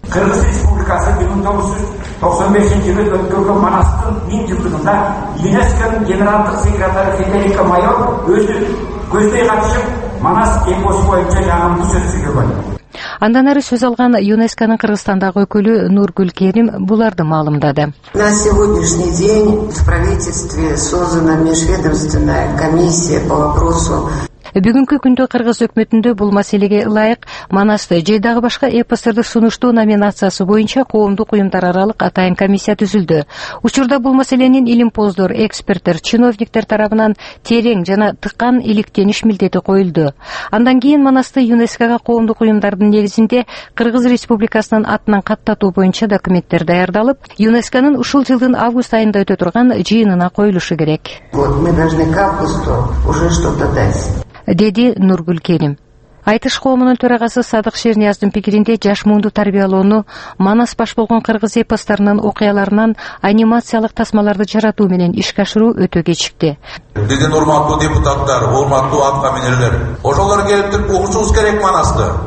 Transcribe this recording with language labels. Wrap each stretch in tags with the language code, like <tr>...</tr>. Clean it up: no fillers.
<ky>Кыргыз Республикасы 1995-жылы өткөргөн Манастын миң жылдыгында ЮНЕСКОнун генералдык секретары Федерика Майор өзү көздөй катышып Манас Экос боюнча жагын бул сөз сүйлөгөн. Андан ары сөз алган ЮНЕСКОнун Кыргызстандагы өкүлү Нургүл Керим буларды маалымдады.</ky> <ru>На сегодняшний день в правительстве создана межведомственная комиссия по вопросу.</ru> <ky>Бүгүнкү күндө кыргыз өкмөтүндө бул маселеге ылайык Манасты же дагы башка эпостерди сунуштуу номинациясы боюнча коомдук уюмдар аралык атайын комиссия түзүлдү. Учурда бул маселенин илимпоздор, эксперттер, чиновниктер тарабынан терең жана тыккан иликтениш милдети коюлду. Андан кийин Манасты ЮНЕСКОга коомдук уюмдардын негизинде Кыргыз Республикасынын атынан каттатуу боюнча документтер даярдалып, ЮНЕСКОнун ушул жылдын август айында өтө турган жыйынына коюлушу керек.</ky> <ru>Вот мы должны к августу уже что-то дать.</ru> <ky>Деди Нургүл Керим. Айтыш коомунун төрагасы Садык Шерниаздын пикиринде жаш муунду тарбиялоону Манас баш болгон кыргыз эпостарынын окуяларынан анимациялык тасмаларды жаратуу менен ишке ашыруу өтө кечикти. Биздин урматтуу депутаттар, урматтуу аткаминерлер, ошолор келиптир укучубуз керек Манасты.</ky>